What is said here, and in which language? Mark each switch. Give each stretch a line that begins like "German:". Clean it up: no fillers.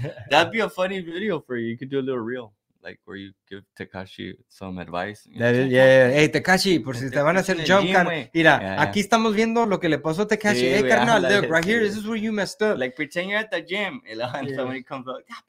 English: That'd be a funny video for you. You could do a little reel, like where you give Tekashi some advice. Yeah.
Spanish: Hey, Tekashi, por si te van a hacer jump, mira, aquí estamos viendo lo que le pasó a Tekashi.
English: Hey, carnal, look, right here, this is where you messed up. Like, pretend you're at the gym, and somebody comes up.